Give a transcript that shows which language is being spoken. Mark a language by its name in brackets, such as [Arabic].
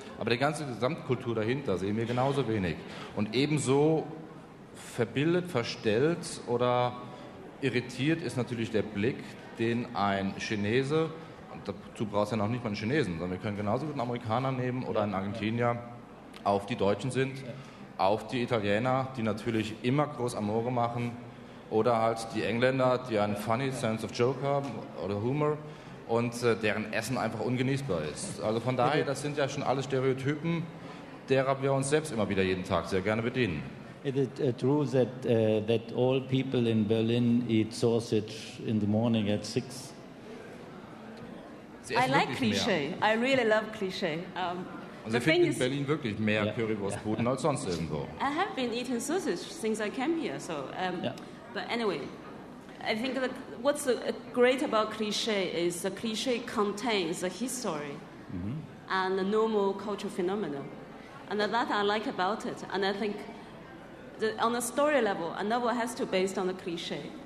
[German] Aber die ganze Gesamtkultur dahinter sehen wir genauso wenig. Und ebenso verbildet, verstellt oder irritiert ist natürlich der Blick, den ein Chinese, und dazu brauchst du ja noch nicht mal einen Chinesen, sondern wir können genauso gut einen Amerikaner nehmen oder einen Argentinier, auf die Deutschen sind, auf die Italiener, die natürlich immer groß Amore machen, oder halt die Engländer, die einen [English] funny sense of joke [German] haben oder Humor und deren Essen einfach ungenießbar ist. Also von daher, das sind ja schon alle Stereotypen, derer wir uns selbst immer wieder jeden Tag sehr gerne bedienen. [English] Is it true that that all people in Berlin eat sausage in the morning at 6? I like cliché. I really love cliché. [German] Also Sie finden in Berlin wirklich mehr Currywurstbuden als sonst irgendwo. [English] I have been eating sausage since I came here. So, but anyway, I think that what's great about cliché is the cliché contains a history and a normal cultural phenomenon. And that I like about it. And I think on a story level, a novel has to be based on a cliché.